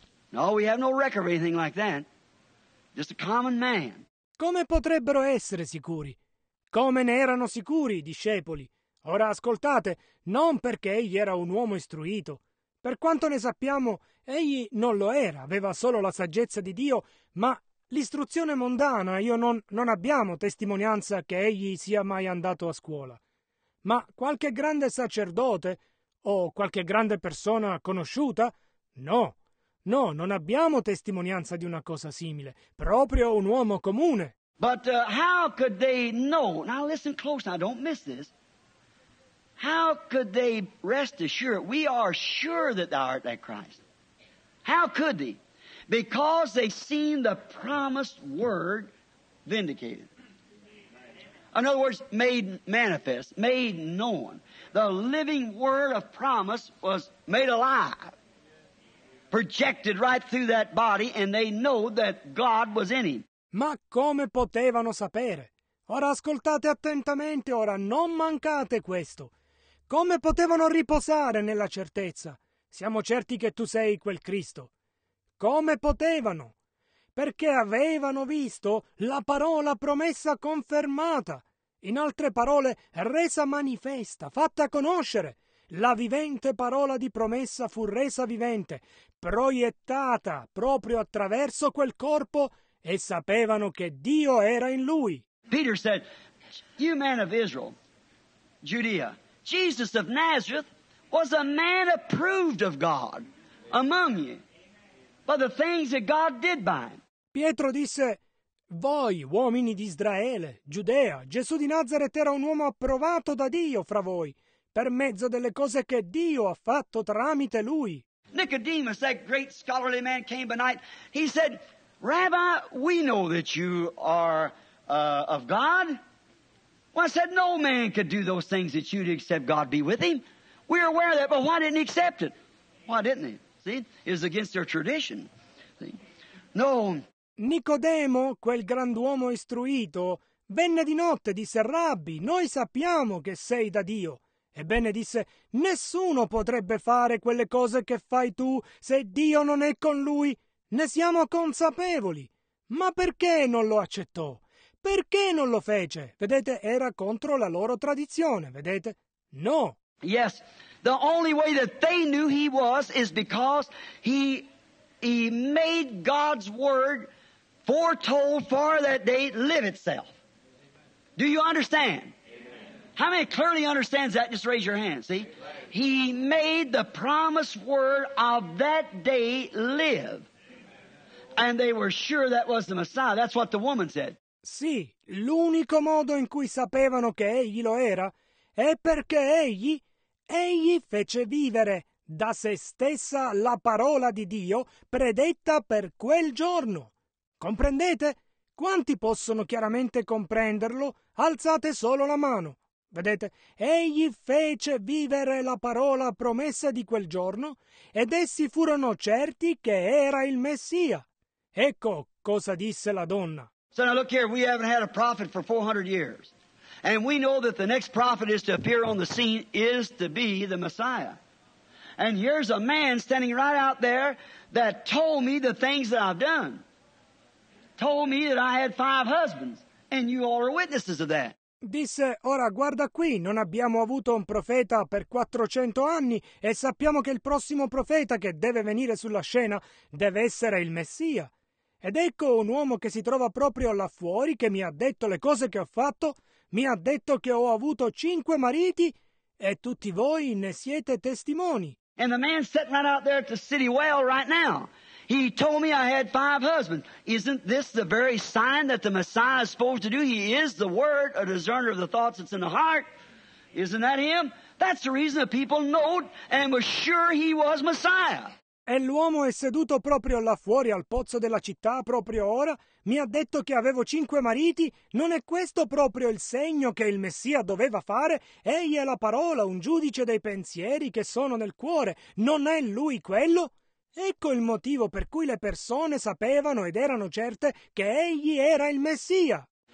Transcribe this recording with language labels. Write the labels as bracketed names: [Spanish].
[English] No, we have no record of anything like that. Just a common man. [Italian] Come potrebbero essere sicuri? Come ne erano sicuri i discepoli? Ora ascoltate, non perché egli era un uomo istruito. Per quanto ne sappiamo, egli non lo era, aveva solo la saggezza di Dio, ma l'istruzione mondana, non abbiamo testimonianza che egli sia mai andato a scuola. Ma qualche grande sacerdote o qualche grande persona conosciuta? No, non abbiamo testimonianza di una cosa simile, proprio un uomo comune. [English] But how could they know? Now listen close, now don't miss this. How could they rest assured? We are sure that thou art that Christ. How could they? Because they seen the promised word vindicated. In other words, made manifest, made known. The living word of promise was made alive, projected right through that body, and they know that God was in him. [Italian] Ma come potevano sapere? Ora ascoltate attentamente, ora non mancate questo. Come potevano riposare nella certezza? Siamo certi che tu sei quel Cristo. Come potevano? Perché avevano visto la parola promessa confermata. In altre parole, resa manifesta, fatta conoscere. La vivente parola di promessa fu resa vivente, proiettata proprio attraverso quel corpo e sapevano che Dio era in lui. [English] Peter said, you men of Israel, Judea, Jesus of Nazareth was a man approved of God among you by the things that God did by him. [Italian] Pietro disse, voi uomini di Israele, Giudea, Gesù di Nazareth era un uomo approvato da Dio fra voi per mezzo delle cose che Dio ha fatto tramite lui. [English] Nicodemus, that great scholarly man, came by night. He said, Rabbi, we know that you are of God. Well, I said, no man could do those things that you did except God be with him. We're aware of that, but why didn't he accept it? Why didn't he? See, it was against their tradition. See? No. [Italian] Nicodemo, quel grand'uomo istruito, venne di notte e disse, Rabbi, noi sappiamo che sei da Dio. Ebbene disse, nessuno potrebbe fare quelle cose che fai tu se Dio non è con lui. Ne siamo consapevoli. Ma perché non lo accettò? Perché non lo fece? Vedete, era contro la loro tradizione, vedete? No. [English] Yes, the only way that they knew he was is because he made God's word foretold for that day live itself. Do you understand? Amen. How many clearly understands that? Just raise your hand, see? He made the promised word of that day live. And they were sure that was the Messiah. That's what the woman said. [Italian] Sì, l'unico modo in cui sapevano che egli lo era è perché egli fece vivere da se stessa la parola di Dio predetta per quel giorno. Comprendete? Quanti possono chiaramente comprenderlo? Alzate solo la mano. Vedete, egli fece vivere la parola promessa di quel giorno ed essi furono certi che era il Messia. Ecco cosa disse la donna. [English] So now look here, we haven't had a prophet for 400 years. And we know that the next prophet is to appear on the scene is to be the Messiah. And here's a man standing right out there that told me the things that I've done. Told me that I had 5 husbands. And you all are witnesses of that. [Italian] Disse, ora guarda qui, non abbiamo avuto un profeta per 400 anni e sappiamo che il prossimo profeta che deve venire sulla scena deve essere il Messia. Ed ecco un uomo che si trova proprio là fuori che mi ha detto le cose che ho fatto, mi ha detto che ho avuto 5 mariti e tutti voi ne siete testimoni. [English] And the man sitting right out there at the city well right now, He told me I had five husbands. Isn't this the very sign that the Messiah is supposed to do? He is the Word, a discerner of the thoughts that's in the heart. Isn't that Him? That's the reason that people know and were sure He was Messiah. [Italian] E l'uomo è seduto proprio là fuori al pozzo della città proprio ora. Mi ha detto che avevo cinque mariti. Non è questo proprio il segno che il Messia doveva fare? Egli è la parola, un giudice dei pensieri che sono nel cuore. Non è lui quello? Ecco il motivo per cui le persone sapevano ed erano certe che egli era il Messia.